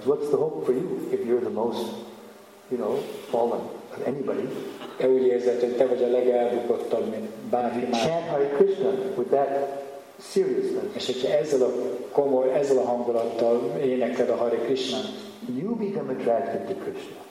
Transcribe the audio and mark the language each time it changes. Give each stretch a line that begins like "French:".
English: What's the hope for you if you're the most, you know, fallen of anybody?
Hungarian: E úgy érzed, hogy te vagy a legelbukottabb, mint bárki más.
English: Chant Hare Krishna with that seriousness.
Hungarian: És hogyha ezzel a komoly, ezzel a hangulattal énekled a Hare Krishna,
English: you become attracted to Krishna.